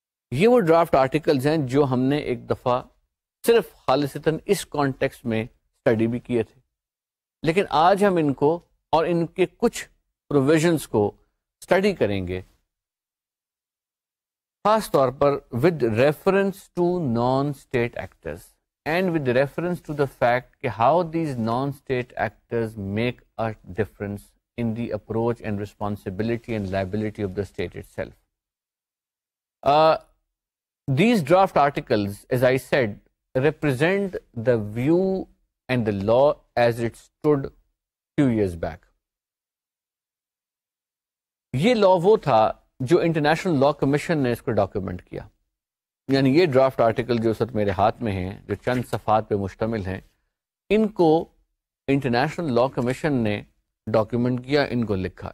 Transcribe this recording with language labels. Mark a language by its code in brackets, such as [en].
[ur] یہ وہ draft articles ہیں جو ہم نے ایک دفعہ صرف خالصتاً اس کانٹیکسٹ میں اسٹڈی بھی کیے تھے, لیکن آج ہم ان کو اور ان کے کچھ پروویژنس کو اسٹڈی کریں گے خاص طور پر [en] with reference to non state actors and with reference to the fact [ur] کہ [en] how these non-state actors make a difference in the approach and responsibility and liability of the state itself. These draft articles, as I said, represent the view and the law as it stood few years back. [ur] یہ لا وہ تھا جو international law commission نے اس کو document کیا, یعنی یہ draft article جو اس وقت میرے ہاتھ میں ہیں جو چند صفحات پہ مشتمل ہیں ان کو انٹرنیشنل لا کمیشن نے ڈاکیومنٹ کیا, ان کو لکھا.